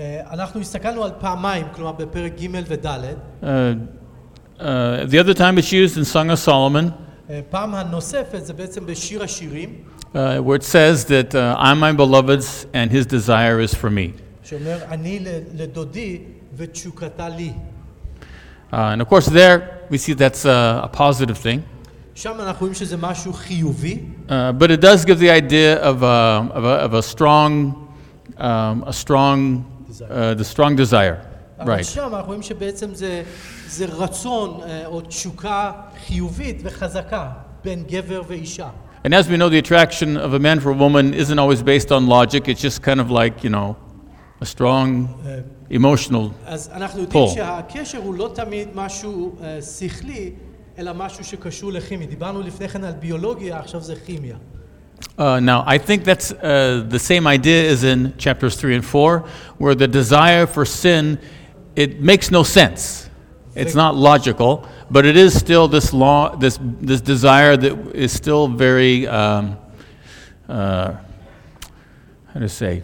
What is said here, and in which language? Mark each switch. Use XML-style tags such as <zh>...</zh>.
<he>אנחנו הסתכלנו על פעמיים, כלומר בפרק ג' וד'.</he> <en>The other time it's used in Song of Solomon.</en> <he>פעם הנוספת זה בעצם בשיר השירים.</he> <en>Where it says that I'm my beloved's and his desire is for me.</en> <he>שאומר אני לדודי ותשוקתה לי.</he> <en>And of course there we see that's a positive thing.</en> <he>שם אנחנו רואים שזה משהו חיובי.</he> <en>But it does give the idea of a strong a strong the strong desire. Right.</en> <he>שם אנחנו רואים שבעצם זה רצון או תשוקה חיובית וחזקה בין גבר ואישה.</he> <en>And as we know, the attraction of a man for a woman isn't always based on logic. It's just kind of like, you know, a strong emotional</en> <he>אז אנחנו יודעים שהקשר הוא לא תמיד משהו שכלי אלא משהו שקשור לכימי. דיברנו לפני כן על ביולוגיה, עכשיו זה כימיה.</he> <en>Now I think that's the same idea as in chapters 3 and 4 where the desire for sin, it makes no sense, it's not logical, but it is still this law, this desire that is still very how to say</en>